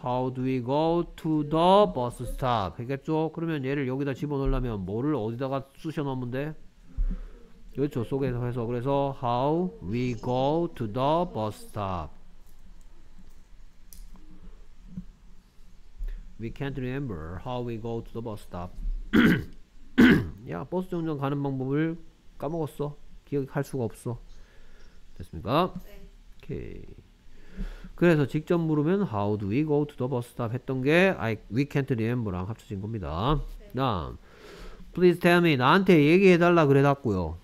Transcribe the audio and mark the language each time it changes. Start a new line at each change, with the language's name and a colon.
English: How do we go to the bus stop?
Korean: 했겠죠? 그러면 얘를 여기다 집어넣으려면 뭐를 어디다가 쑤셔넣으면 돼? 그렇죠. 속에서 해서. 그래서
English: How we go to the bus stop? We can't remember how we go to the bus stop.
Korean: 야, 버스 정류장 가는 방법을 까먹었어. 기억할 수가 없어. 됐습니까? 네. 오케이. 그래서 직접 물으면
English: how do we go to the bus stop
Korean: 했던 게
English: we can't remember
Korean: 랑 합쳐진 겁니다. 네. 다음,
English: please tell me
Korean: 나한테 얘기해달라 그래놨고요.